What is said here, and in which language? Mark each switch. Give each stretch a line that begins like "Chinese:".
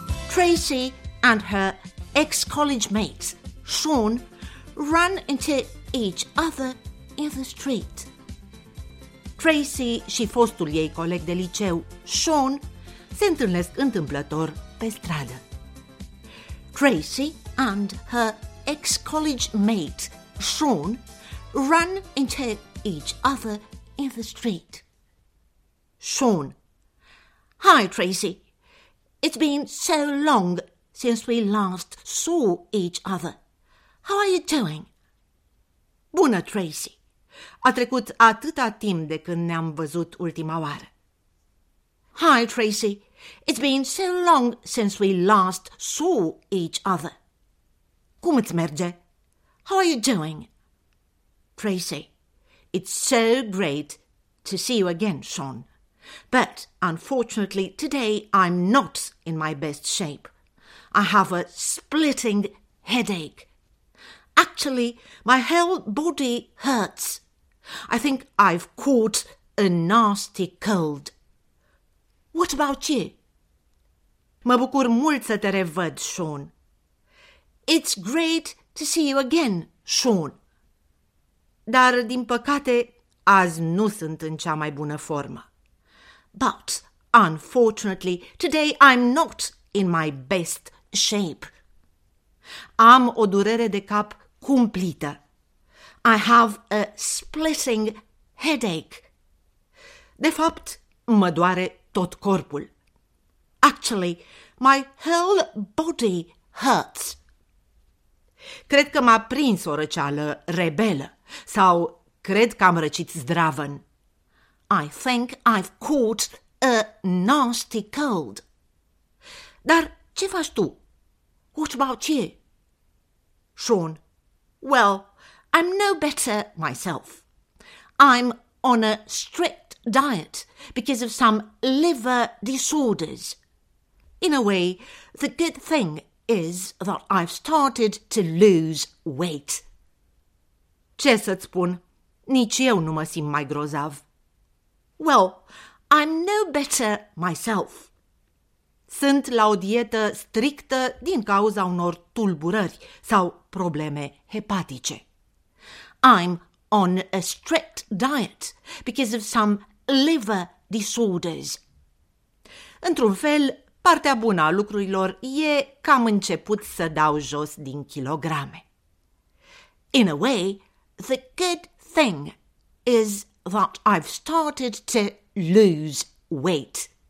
English: Tracy and her ex-college mate, Sean, ran into each other in the street.
Romanian: Tracy și fostul ei coleg de liceu, Sean, se întâlnesc întâmplător pe stradă.
English: Tracy and her ex-college mate, Sean, ran into each other in the street. Sean: Hi, Tracy. It's been so long since we last saw each other. How are you doing?
Romanian: Bună, Tracy. A trecut atâta timp de când ne-am văzut ultima oară.
English: Hi, Tracy. It's been so long since we last saw each other.
Romanian: Cum îți merge?
English: How are you doing? Tracy: It's so great to see you again, Sean. But, unfortunately, today I'm not in my best shape. I have a splitting headache. Actually, my whole body hurts. I think I've caught a nasty cold. What about you?
Romanian: Mă bucur mult să te revăd, Sean.
English: It's great to see you again, Sean.
Romanian: Dar, din păcate, azi nu sunt în cea mai bună formă.
English: But, unfortunately, today I'm not in my best shape.
Romanian: Am o durere de cap cumplită.
English: I have a splitting headache.
Romanian: De fapt, mă doare tot corpul.
English: Actually, my whole body hurts.
Romanian: Cred că m-a prins o răceală rebelă sau cred că am răcit zdravăn.
English: I think I've caught a nasty cold.
Romanian: Dar ce faci tu?
English: What about you? Sean, well, I'm no better myself. I'm on a strict diet because of some liver disorders. In a way, the good thing is that I've started to lose weight.
Romanian: Ce să-ți spun? Nici eu nu mă simt mai grozav.
English: Well, I'm no better myself.
Romanian: Sunt la o dietă strictă din cauza unor tulburări sau probleme hepatice.
English: I'm on a strict diet because of some liver disorders.
Romanian: Într-un fel, partea bună a lucrurilor e că am început să dau jos din kilograme.
English: In a way, the good thing is that I've started to lose weight.